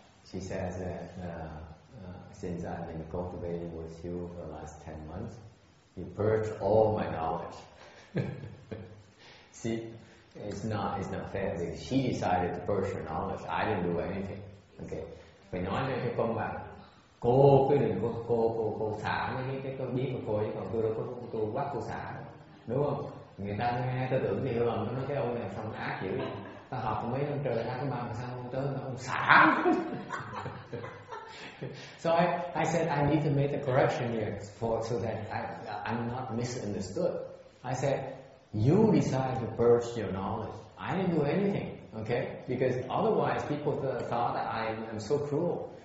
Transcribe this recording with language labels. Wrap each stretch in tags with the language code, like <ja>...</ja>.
<en>She says that since I've been cultivating with you for the last 10 months, you purged all my knowledge. See, it's not fair because she decided to purge her knowledge. I didn't do anything. Okay.</en> <vi>Phải nói với cái công bằng. Cô cứ đừng cô xả mấy cái biết của cô chứ còn tôi đâu có tôi bắt cô xả đúng không? Người ta nghe tôi tưởng thì lần nó nói cái ông này xong ác dữ. Ta học mấy năm trời ra cái bằng sao tới ông xả.</vi> <en>So I said I need to make a correction here for so that I'm not misunderstood. I said you decide to purge your knowledge. I didn't do anything, okay? Because otherwise people thought that I'm so cruel.</en>